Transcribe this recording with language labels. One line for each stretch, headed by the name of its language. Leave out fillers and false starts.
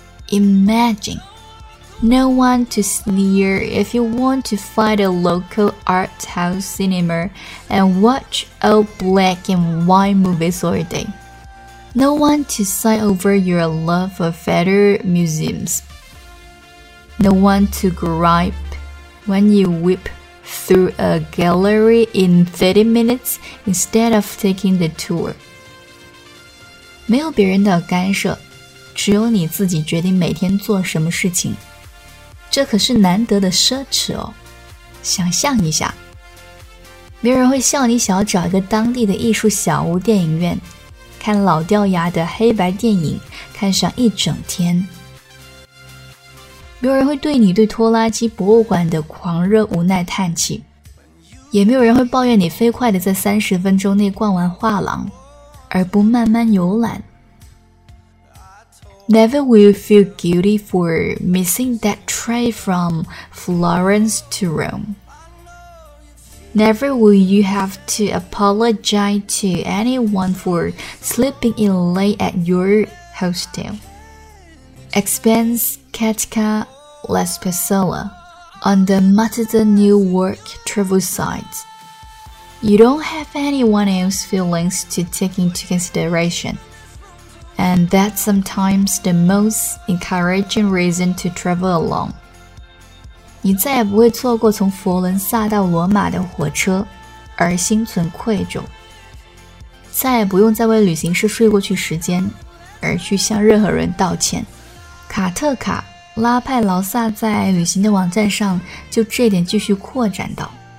English: Imagine no one to sneer if you want to find a local art house cinema and watch old black and white movies all day. No one to sigh over your love of feather museums. No one to gripe when you whip through a gallery in 30 minutes instead of taking the tour.
Chinese: 没有别人的干涉，只有你自己决定每天做什么事情。这可是难得的奢侈哦，想象一下，没有人会笑你想要找一个当地的艺术小屋电影院，看老掉牙的黑白电影，看上一整天。没有人会对你对拖拉机博物馆的狂热无奈叹气，也没有人会抱怨你飞快地在30分钟内逛完画廊，而不慢慢游览。
English: Never will you feel guilty for missing that train from Florence to Rome. Never will you have to apologize to anyone for sleeping in late at your hostel. Expense Katka Laspasola on the Matadon New York travel site. You don't have anyone else's feelings to take into consideration. And that's sometimes the most encouraging reason to travel alone.
Chinese: 你再也不会错过从佛伦萨到罗马的火车而心存愧疚。再也不用再为旅行社睡过去时间而去向任何人道歉。卡特卡拉派劳萨在旅行的网站上就这点继续扩展到。